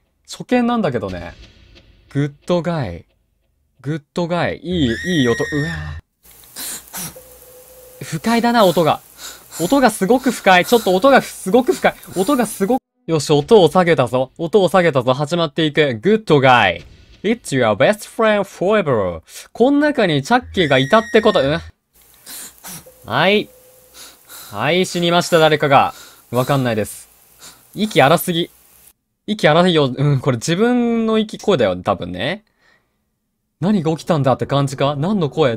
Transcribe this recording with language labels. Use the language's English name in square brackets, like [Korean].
[Japanese] 初見なんだけどね。グッドガイ。グッドガイ、いい音、うわ不快だな、音が。音がすごく不快。ちょっと音がすごく不快。音がすごく、よし、音を下げたぞ。音を下げたぞ。始まっていく。グッドガイ。 [English] It's your best friend forever. [Japanese] この中にチャッキーがいたってこと、うん、はい。はい、死にました、誰かが。わかんないです。息荒すぎ。息荒いよ。うん、これ自分の息声だよ、多分ね。何が起きたんだって感じか？何の声？